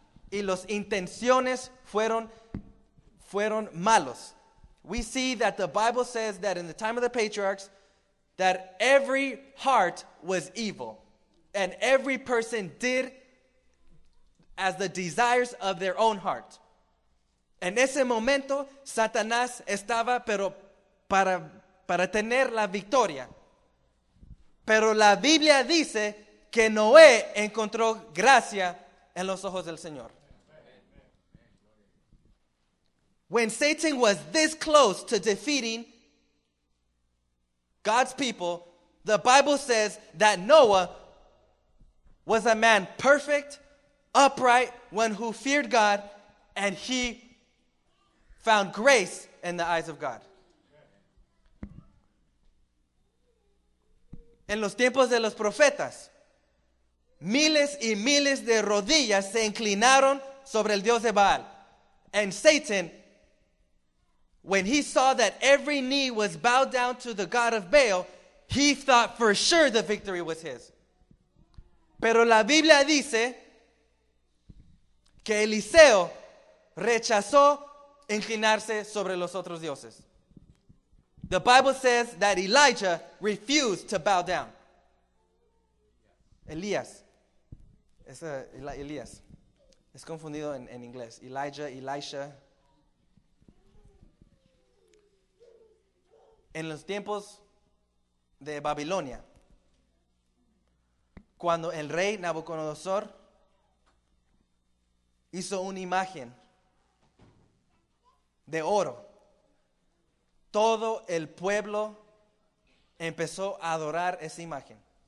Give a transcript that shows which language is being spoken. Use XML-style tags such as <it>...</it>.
<es>Y las intenciones fueron malos.</es> <en>We see that the Bible says that in the time of the patriarchs, that every heart was evil. And every person did as the desires of their own heart.</en> <es>En ese momento, Satanás estaba, pero para tener la victoria. Pero la Biblia dice que Noé encontró gracia en los ojos del Señor.</es> <en>When Satan was this close to defeating God's people, the Bible says that Noah was a man perfect, upright, one who feared God, and he found grace in the eyes of God.</en> <es>En los tiempos de los profetas, miles y miles de rodillas se inclinaron sobre el Dios de Baal.</es> <en>And Satan, when he saw that every knee was bowed down to the God of Baal, he thought for sure the victory was his.</en> <es>Pero la Biblia dice que Eliseo rechazó inclinarse sobre los otros dioses.</es> <en>The Bible says that Elijah refused to bow down.</en> <es>Elías. Es Elías. Es confundido en inglés. Elijah, Elisha. En los tiempos de Babilonia, cuando el rey Nabucodonosor hizo una imagen de oro, todo el pueblo empezó a adorar esa imagen.</es>